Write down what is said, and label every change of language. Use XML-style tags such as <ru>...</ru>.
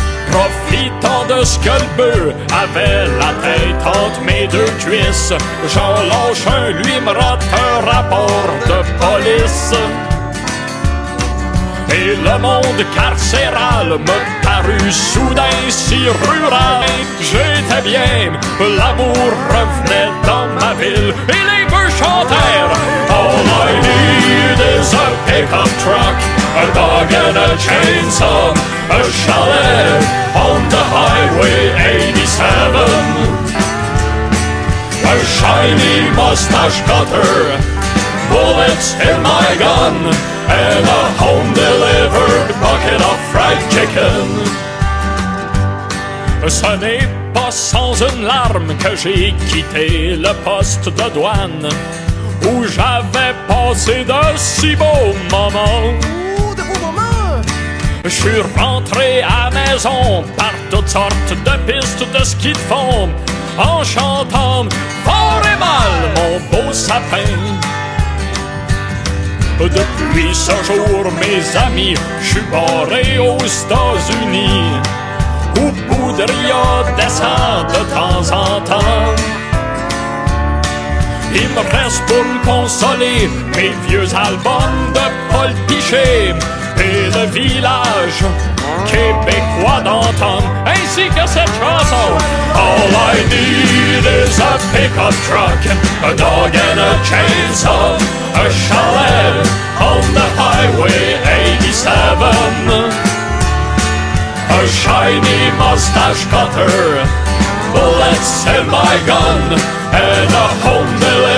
<fr>Profitant de ce que le bœuf avait la tête entre mes deux cuisses, j'en lâche un, lui me rate un rapport de police. Et le monde carcéral me parut soudain si rural. J'étais bien, l'amour revenait dans ma ville et les bœufs chantèrent.</fr> <en>All I need is a pickup truck, a dog and a chainsaw, a chalet on the highway 87, a shiny mustache cutter, bullets in my gun, and a home-delivered bucket of fried chicken.</en> <fr>Ce n'est pas sans une larme que j'ai quitté le poste de douane où j'avais passé de si beaux moments. Ouh, de beaux moments! J'suis rentré à maison par toutes sortes de pistes de ski de fond en chantant fort et mal mon beau sapin. Depuis ce jour, mes amis, j'suis barré aux États-Unis où Poudria descend de temps en temps. Il me reste pour me consoler mes vieux albums de Paul Pichet et de village québécois d'antan, ainsi que cette chanson.</fr> <en>All I need is a pickup truck, a dog and a chainsaw, a chalet on the highway 87, a shiny mustache cutter, bullets in my gun, and a home.</en>